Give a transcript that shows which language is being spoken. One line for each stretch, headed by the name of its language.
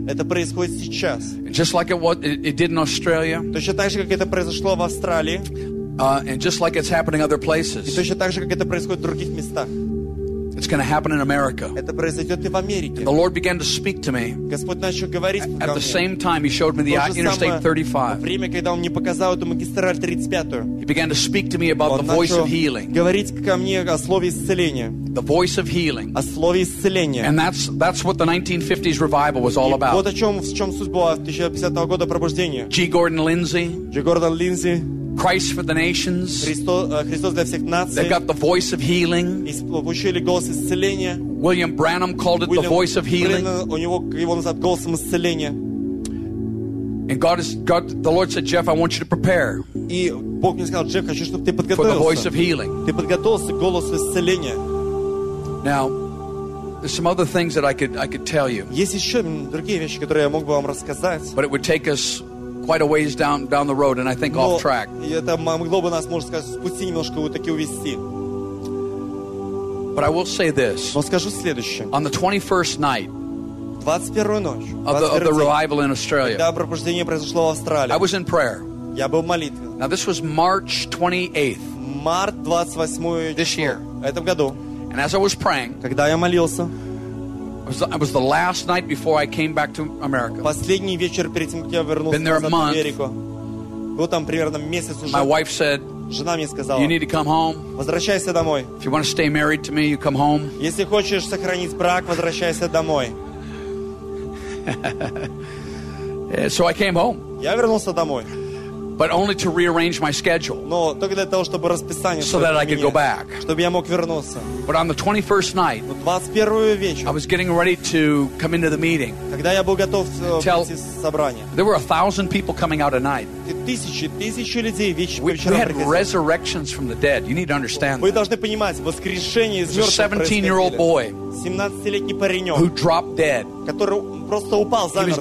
Russian: Это происходит сейчас.
English: Just like it did in Australia.
Russian: Точно так же, как это произошло в Австралии.
English: And just like it's happening other places.
Russian: И точно так же, как это происходит в других местах.
English: It's going to happen in America.
Russian: Это произойдет и в Америке.
English: The Lord began to speak to me.
Russian: Господь начал говорить ко мне.
English: At the same time, He showed me the Interstate 35.
Russian: В время, когда Он мне показал эту магистраль 35.
English: He began to speak to me about the voice of healing.
Russian: Говорить ко мне о слове исцеления.
English: The voice of healing.
Russian: О слове исцеления.
English: And that's what the 1950s revival was all about.
Russian: Вот в чем суть была 1950 года пробуждения.
English: G. Gordon Lindsay. G. Gordon Lindsay. Christ for the nations.
Russian: Христос для всех наций.
English: They've got the voice of healing.
Russian: Получили голос исцеления.
English: William Branham called it the voice of healing.
Russian: У него его назвали голосом исцеления.
English: And the Lord said, Jeff, I want you to prepare.
Russian: И Бог мне сказал, Джефф, хочу, чтобы ты подготовился.
English: For the voice of healing.
Russian: Ты подготовился к голосу исцеления.
English: Now, There's some other things that I could tell you.
Russian: Есть еще другие вещи, которые я мог бы вам рассказать.
English: But it would take us quite a ways down the road, and I think off track.
Russian: Это могло бы нас, можно сказать, с пути немножко вот таки увести.
English: But I will say this.
Russian: Но скажу следующее.
English: On the 21st night.
Russian: 21 ночь.
English: Of the revival in Australia.
Russian: Когда пробуждение произошло в Австралии.
English: I was in prayer.
Russian: Я был в молитве.
English: Now this was March 28th.
Russian: Март 28
English: this year.
Russian: Этом году.
English: And as I was praying,
Russian: когда я молился,
English: it was the last night before I came back to America.
Russian: Последний вечер перед тем, как я вернулся назад в Америку.
English: Been there a month.
Russian: Был там примерно месяц уже.
English: My wife said,
Russian: жена мне сказала,
English: you need to come home.
Russian: Возвращайся домой.
English: If you want to stay married to me, you come home.
Russian: Если хочешь сохранить брак, возвращайся домой.
English: So I came home.
Russian: Я вернулся домой.
English: But only to rearrange my schedule.
Russian: Но только для того, чтобы расписание.
English: So that I could go back.
Russian: Чтобы я мог вернуться.
English: But on the 21st night.
Russian: Но 21 вечер.
English: I was getting ready to come into the meeting.
Russian: Когда я был готов прийти в собрание.
English: There were 1,000 people coming out at night.
Russian: Тысячи людей вечером.
English: We had resurrections from the dead. You need to understand.
Russian: Вы должны понимать, воскрешение из мертвых.
English: 17-year-old boy.
Russian: 17-летний паренек.
English: Who dropped dead.
Russian: Который просто упал замертво.